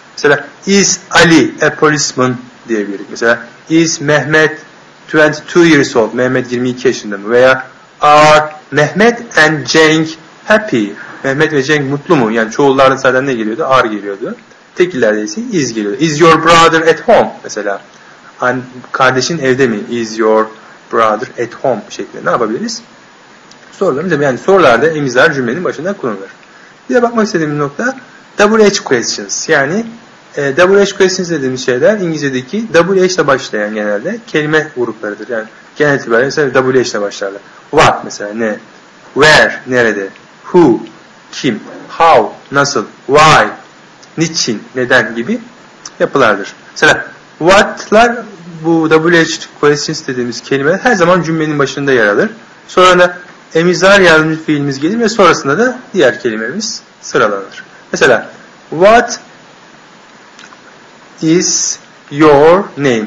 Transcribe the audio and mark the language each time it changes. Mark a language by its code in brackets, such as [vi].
[en] Mesela is Ali a policeman? [tr] Diyebiliriz. [en] Mesela is Mehmet 22 years old? [tr] Mehmet 22 yaşında mı? [en] Veya are Mehmet and Cenk happy? [tr] Mehmet ve Cenk mutlu mu? Yani çoğullarda zaten ne geliyordu? Are geliyordu. Tekillerde ise is geliyor. [en] Is your brother at home? [tr] Mesela kardeşin evde mi? [en] Is your brother at home? [tr] Şeklinde ne yapabiliriz? Sorularımız değil mi? Yani sorularda emizler cümlenin başında kullanılır. Bir de bakmak istediğim bir nokta WH questions. Yani WH questions dediğimiz şeyler İngilizce'deki WH ile başlayan genelde kelime gruplarıdır. Yani genel itibariyle mesela WH ile başlarlar. What mesela ne? Where nerede? Who kim? How nasıl? Why niçin, neden gibi yapılardır. Mesela what'lar bu WH questions dediğimiz kelimeler her zaman cümlenin başında yer alır. Sonra da emizar yardımcı fiilimiz gelir ve sonrasında da diğer kelimemiz sıralanır. [en] Mesela what is your name?